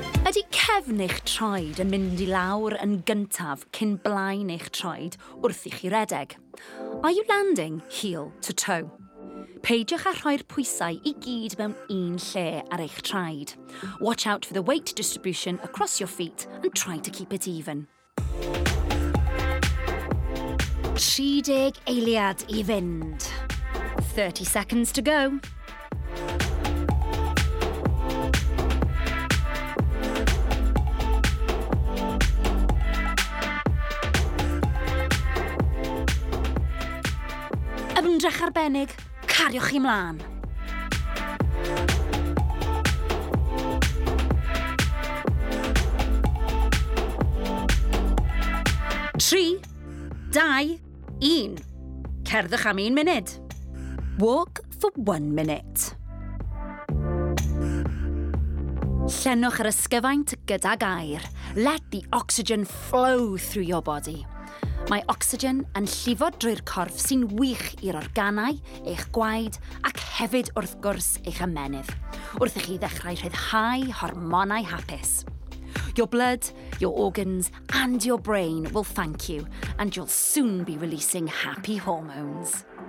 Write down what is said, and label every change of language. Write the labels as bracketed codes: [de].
[cy] Ydy cefn eich troed yn mynd I lawr yn gyntaf cyn blaen eich troed wrth I chi redeg? [en] Are you landing heel to toe? [cy] Peidiwch â rhoi'r pwysau I gyd mewn un lle ar eich traed. [en] Watch out for the weight distribution across your feet and try to keep it even. [cy] 30 eiliad I fynd. [en] 30 seconds to go. [cy] 'Drych arbennig, cariwch I mlaen. Tri, dau, un. Cerddwch am [en] 1 minute. Walk for 1 minute. [cy] Llenwch yr ysgyfaint gydag air. [en] Let the oxygen flow through your body. [cy] Mae oxygen yn llifo drwy'r corff sy'n wych i'r organau, eich gwaed ac hefyd wrth gwrs eich ymennydd, wrth I chi ddechrau rhyddhau hormonau hapus. [en] Your blood, your organs and your brain will thank you and you'll soon be releasing happy hormones.